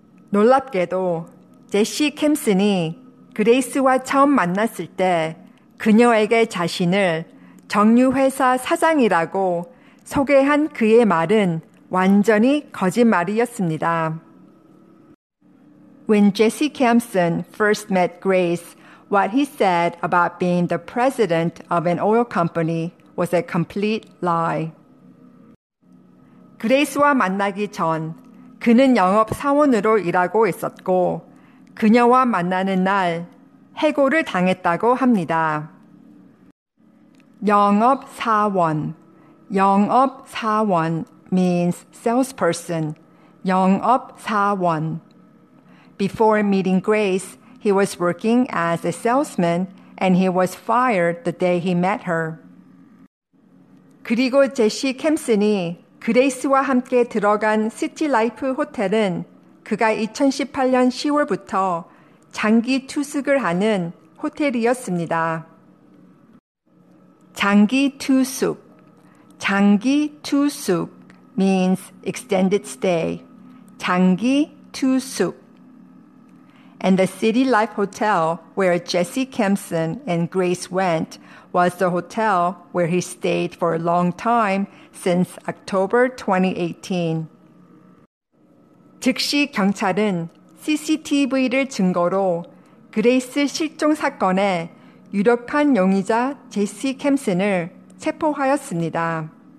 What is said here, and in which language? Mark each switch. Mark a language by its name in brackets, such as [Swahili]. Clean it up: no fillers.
[Korean] 놀랍게도 제시 캠슨이 그레이스와 처음 만났을 때 그녀에게 자신을 정유회사 사장이라고 소개한 그의 말은 완전히 거짓말이었습니다. [English] When Jesse Kempson first met Grace, what he said about being the president of an oil company was a complete lie. [Korean] 그레이스와 만나기 전 그는 영업 사원으로 일하고 있었고 그녀와 만나는 날 해고를 당했다고 합니다. 영업 사원. 영업 사원 [English] means salesperson. [Korean] 영업 사원. [English] Before meeting Grace, he was working as a salesman, and he was fired the day he met her. [Korean] 그리고 제시 캠슨이 그레이스와 함께 들어간 시티라이프 호텔은 그가 2018년 10월부터 장기 투숙을 하는 호텔이었습니다. 장기 투숙. 장기 투숙 [English] means extended stay. [Korean] 장기 투숙. [English] And the City Life Hotel where Jesse Kempson and Grace went was the hotel where he stayed for a long time since October 2018. [Korean] 즉시 경찰은 CCTV를 증거로 그레이스 실종 사건에 유력한 용의자 제시 캠슨을 체포하였습니다.